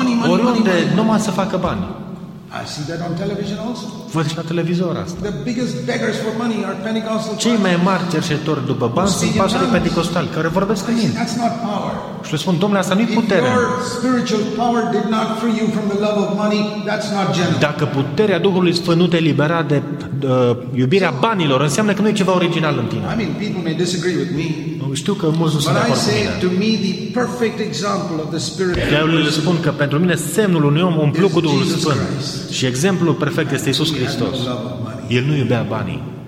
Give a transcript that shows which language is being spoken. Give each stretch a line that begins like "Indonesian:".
Romanian: Oriunde numai să facă bani.
English: I see that on television also.
Romanian: Văd și la televizor asta.
English: The biggest beggars for money are Pentecostals.
Romanian: Cei mai mari cerșetori după bani sunt pastorii penticostali care vorbesc în limbi.
English: That's not power.
Romanian: Și le spun, domnule, asta nu-i putere.
English: If your spiritual power did not free you from the love of money, that's not genuine.
Romanian: Dacă puterea Duhului Sfânt nu te elibera de iubirea banilor, înseamnă că nu e ceva original în tine.
English: I mean, people may disagree with me.
Romanian: Știu că mulți nu sunt de acord cu mine.
English: To me, the perfect example of the spiritual.
Romanian: Eu le spun că pentru mine semnul unui om umplut cu Duhul Sfânt și exemplul perfect este Iisus Hristos. El nu iubea banii.